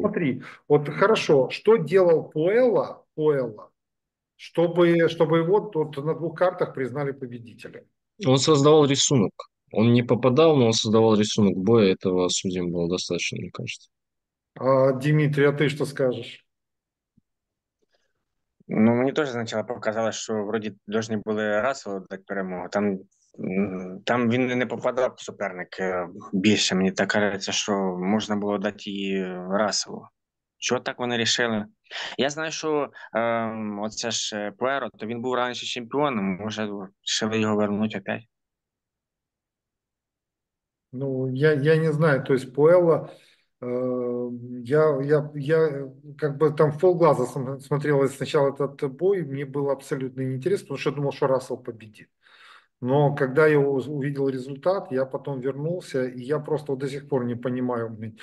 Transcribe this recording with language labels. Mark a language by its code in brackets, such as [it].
[ru] смотри, вот хорошо, что делал Пуэлла, чтобы его тут на двух картах признали победителем? Он создавал рисунок. Он не попадал, но он создавал рисунок боя. Этого судьям было достаточно, мне кажется. А, Дмитрий, а ты что скажешь? [uk] Ну, мені теж спочатку показалось, що вроді повинні були Рассел дати перемогу. Там він не попадав суперник більше. Мені так кажеться, що можна було дати їй Расову. Чого так вони рішили? Я знаю, що оце ж Пуеро, то він був раніше чемпіоном, може рішили його вернути опять. [ru] Ну, я не знаю, то есть Пуэлла, я как бы там в полглаза смотрел сначала этот бой, мне было абсолютно неинтересно, потому что я думал, что Рассел победит. Но когда я увидел результат, я потом вернулся, и я просто вот до сих пор не понимаю.